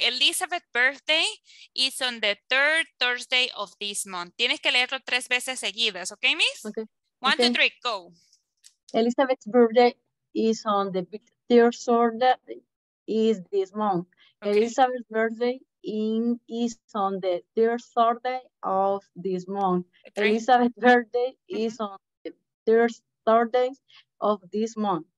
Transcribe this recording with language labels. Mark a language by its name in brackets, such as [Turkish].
[English] Elizabeth's birthday is on the third Thursday of this month. [Spanish] Tienes que leerlo tres veces seguidas, okay, miss? [English] Okay. One, two, three, go. Elizabeth's birthday is on the third Thursday is this month. Okay. Elizabeth's birthday is on the third Thursday of this month. Three. Elizabeth's birthday is on the third Thursday of this month.